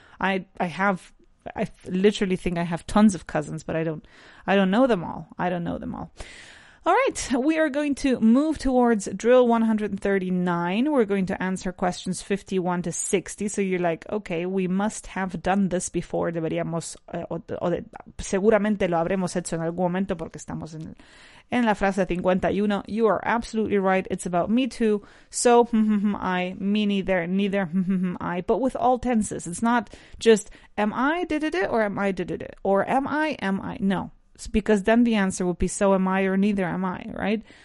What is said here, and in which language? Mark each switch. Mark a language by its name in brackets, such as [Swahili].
[English] I literally think I have tons of cousins, but I don't know them all. All right, we are going to move towards drill 139. We're going to answer questions 51 to 60. So you're like, okay, we must have done this before. [Spanish] Deberíamos, seguramente lo habremos hecho en algún momento porque estamos en la frase 51. [English] You are absolutely right. It's about me too. So, I, me neither, neither, I, but with all tenses. It's not just, am I, did it, or am I, did it, or am I, no. Because then the answer would be, so am I or neither am I, right?